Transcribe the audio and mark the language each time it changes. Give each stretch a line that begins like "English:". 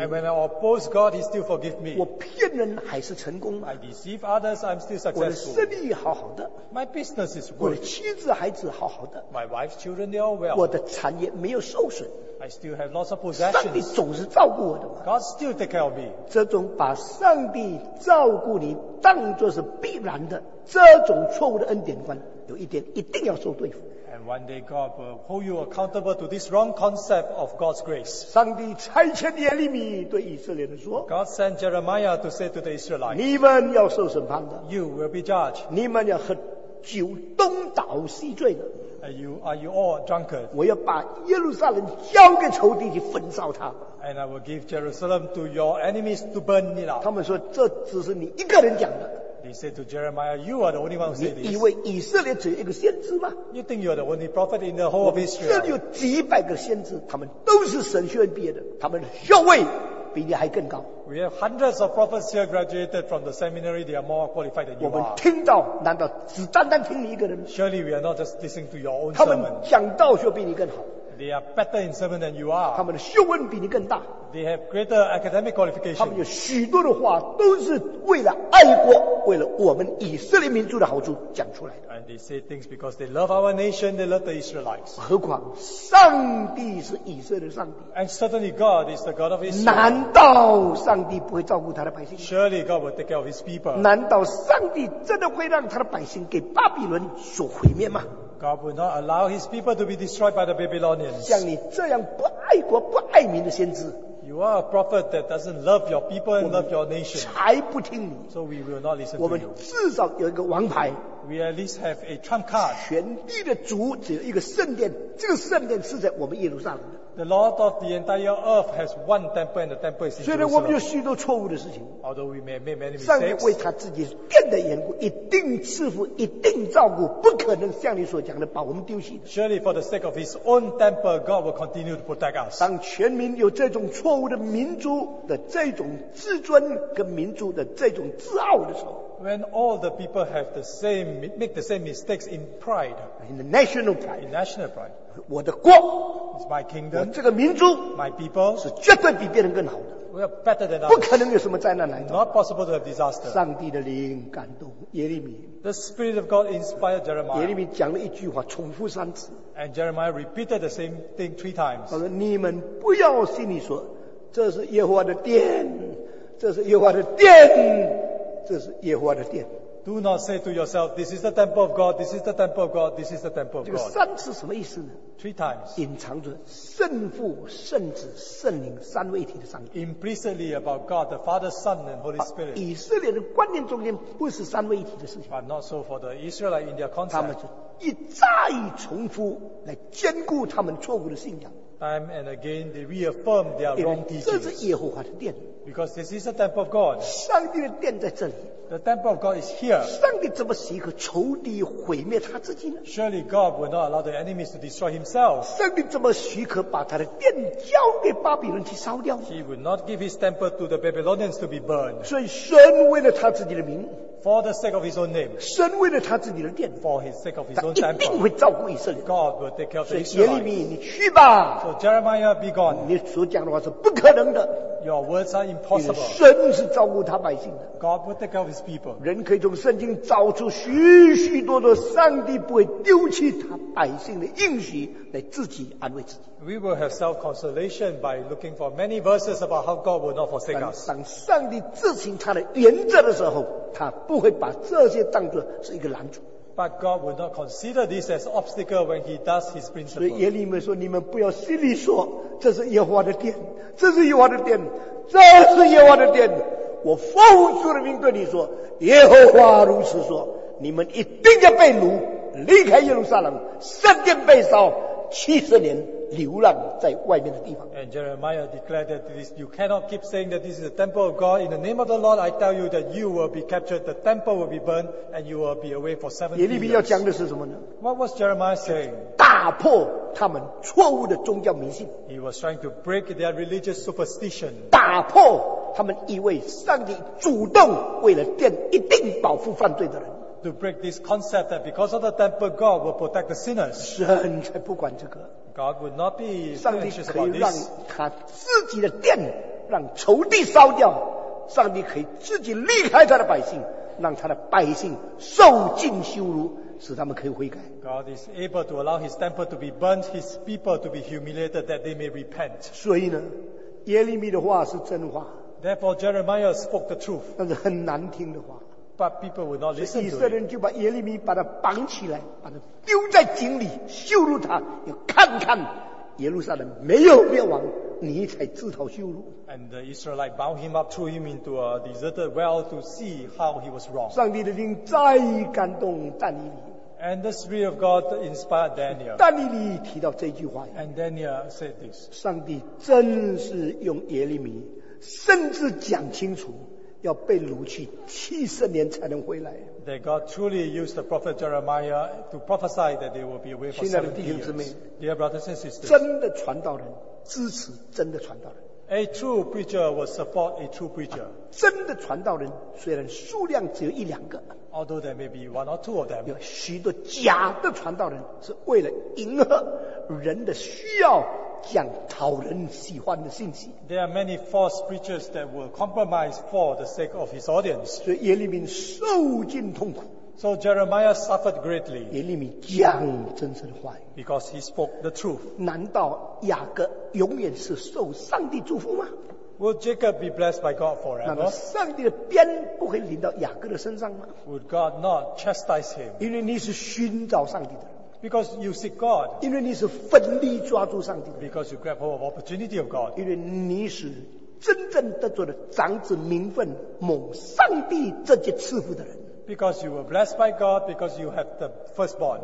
English: And when I oppose God, He still forgive me.
Chinese: 我骗人还是成功。
English: I deceive others, I'm still successful.
Chinese: 我的生意好好的。
English: My business is good.
Chinese: 我的妻子孩子好好的。
English: My wife's children, they're all well.
Chinese: 我的产业没有受损。
English: I still have lots of possessions.
Chinese: 上帝总是照顾我的嘛。
English: God still take care of me.
Chinese: 这种把上帝照顾你当作是必然的，这种错误的恩典观。有一点一定要受对付。
English: And one day God will hold you accountable to this wrong concept of God's grace.
Chinese: 上帝差遣耶利米对以色列人说
English: ，God sent Jeremiah to say to the Israelites,
Chinese: 你们要受审判的
English: ，You will be judged.
Chinese: 你们要喝酒东倒西醉的
English: ，Are you all drunkard?
Chinese: 我要把耶路撒冷交给仇敌去焚烧它。
English: And I will give Jerusalem to your enemies to burn it up.
Chinese: 他们说这只是你一个人讲的。
English: He said to Jeremiah, "You are the only one who said this."
Chinese: 你以为以色列只有一个先知吗
English: ？You think you are the only prophet in the whole of Israel?
Chinese: 这里有几百个先知，他们都是神学院毕业的，他们学位比你还更高。
English: We have hundreds of prophets here graduated from the seminary. They are more qualified than you are.
Chinese: 我们听到，难道只单单听你一个人
English: ？Surely we are not just listening to your own sermon.
Chinese: 他们讲道学比你更好。
English: They are better in sermon than you are.
Chinese: 他们的学问比你更大。
English: They have greater academic qualification.
Chinese: 他们有许多的话都是为了爱国，为了我们以色列民族的好处讲出来的。
English: And they say things because they love our nation, they love the Israelites.
Chinese: 何况上帝是以色列上帝。
English: And certainly God is the God of Israel.
Chinese: 难道上帝不会照顾他的百姓？
English: Surely God will take care of His people.
Chinese: 难道上帝真的会让他的百姓给巴比伦所毁灭吗？
English: God will not allow His people to be destroyed by the Babylonians.
Chinese: 像你这样不爱国不爱民的先知。
English: You are a prophet that doesn't love your people and love your nation.
Chinese: 才不听你。
English: So we will not listen to you.
Chinese: 我们至少有一个王牌。
English: We at least have a trump card.
Chinese: 全地的主只有一个圣殿，这个圣殿是在我们耶路撒冷的。
English: The Lord of the entire earth has one temple and the temple is in Jerusalem.
Chinese: 虽然我们有许多错误的事情。
English: Although we may have made many mistakes.
Chinese: 上帝为他自己殿的缘故，一定赐福，一定照顾，不可能像你所讲的把我们丢弃。
English: Surely for the sake of his own temple, God will continue to protect us.
Chinese: 当全民有这种错误的民族的这种自尊跟民族的这种自傲的时候。
English: When all the people have the same, make the same mistakes in pride. In the national pride. In national pride.
Chinese: 我的国
English: is my kingdom.
Chinese: 我这个民族
English: my people.
Chinese: 是绝对比别人更好的。
English: We are better than others.
Chinese: 不可能有什么灾难来到。
English: Not possible to have disaster.
Chinese: 上帝的灵感动耶利米。
English: The Spirit of God inspired Jeremiah.
Chinese: 耶利米讲了一句话重复三次。
English: And Jeremiah repeated the same thing three times.
Chinese: 他说你们不要心里说这是耶和华的殿，这是耶和华的殿。这是耶和华的殿。
English: Do not say to yourself, this is the temple of God, this is the temple of God, this is the temple of God.
Chinese: 这个三次什么意思呢？
English: Three times.
Chinese: 隐藏着圣父、圣子、圣灵三位一体的上帝。
English: Implicitly about God, the Father, Son, and Holy Spirit.
Chinese: 以色列人观念中间不是三位一体的事情。
English: But not so for the Israelite in their concept.
Chinese: 他们就一再重复来坚固他们错误的信仰。
English: time and again they reaffirm their wrong teachings.
Chinese: 这是耶和华的殿。
English: Because this is the temple of God.
Chinese: 上帝的殿在这里。
English: The temple of God is here.
Chinese: 上帝怎么许可仇敌毁灭他自己呢？
English: Surely God will not allow the enemies to destroy himself.
Chinese: 上帝怎么许可把他的殿交给巴比伦去烧掉？
English: He will not give his temple to the Babylonians to be burned.
Chinese: 所以神为了他自己的名。
English: For the sake of his own name.
Chinese: 神为了他自己的殿。
English: For his sake of his own temple.
Chinese: 他一定会照顾以色列。
English: God will take care of the Israelites.
Chinese: 所以耶利米，你去吧。
English: So Jeremiah, be gone.
Chinese: 你所讲的话是不可能的。
English: Your words are impossible.
Chinese: 神是照顾他百姓的。
English: God will take care of his people.
Chinese: 人可以从圣经找出许许多多上帝不会丢弃他百姓的应许来自己安慰自己。
English: We will have self-consolation by looking for many verses about how God will not forsake us.
Chinese: 当上帝执行他的原则的时候，他不会把这些当作是一个拦阻。
English: But God will not consider this as obstacle when he does his principle.
Chinese: 所以耶利米说，你们不要心里说，这是耶和华的殿，这是耶和华的殿，这是耶和华的殿。我奉主的名对你说，耶和华如此说，你们一定要被掳离开耶路撒冷，圣殿被烧70年。流浪在外面的地方。
English: And Jeremiah declared that this, you cannot keep saying that this is the temple of God. In the name of the Lord, I tell you that you will be captured, the temple will be burned, and you will be away for 70 years.
Chinese: 耶利米要讲的是什么呢？
English: What was Jeremiah saying?
Chinese: 打破他们错误的宗教迷信。
English: He was trying to break their religious superstition.
Chinese: 打破他们以为上帝主动为了殿一定保护犯罪的人。
English: To break this concept that because of the temple, God will protect the sinners.
Chinese: 神才不管这个。
English: God would not be anxious about this.
Chinese: 上帝可以让他自己的殿让仇敌烧掉，上帝可以自己离开他的百姓，让他的百姓受尽羞辱，使他们可以悔改。
English: God is able to allow his temple to be burnt, his people to be humiliated, that they may repent.
Chinese: 所以呢，耶利米的话是真话。
English: Therefore, Jeremiah spoke the truth.
Chinese: 但是很难听的话。
English: But people would not listen to it.
Chinese: 所以以色列人就把耶利米把他绑起来，把他丢在井里，羞辱他，要看看耶路撒冷没有灭亡，你才自讨羞辱。
English: And the Israelites bound him up, threw him into a deserted well to see how he was wrong.
Chinese: 上帝的灵再感动但以理。
English: And the Spirit of God inspired Daniel.
Chinese: 但以理提到这句话。
English: And Daniel said this.
Chinese: 上帝真是用耶利米，甚至讲清楚。要被掳去70年才能回来。
English: That God truly used the prophet Jeremiah to prophesy that they will be away for 70 years.
Chinese: 亲爱的弟兄姊妹，
English: Dear brothers and sisters,
Chinese: 真的传道人支持真的传道人。
English: A true preacher will support a true preacher.
Chinese: 真的传道人虽然数量只有一两个。
English: Although there may be one or two of them.
Chinese: 有许多假的传道人是为了迎合人的需要。讲讨人喜欢的信息。
English: There are many false preachers that will compromise for the sake of his audience.
Chinese: 所以耶利米受尽痛苦。
English: So Jeremiah suffered greatly.
Chinese: 耶利米讲真实的话。
English: Because he spoke the truth.
Chinese: 难道雅各永远是受上帝祝福吗？
English: Will Jacob be blessed by God forever?
Chinese: 难道上帝的鞭不会临到雅各的身上吗？
English: Would God not chastise him?
Chinese: 因为你是寻找上帝的。
English: Because you seek God.
Chinese: 因为你是奋力抓住上帝的。
English: Because you grab hold of opportunity of God.
Chinese: 因为你是真正得着的长子名分蒙上帝这些赐福的人。
English: Because you were blessed by God, because you have the firstborn.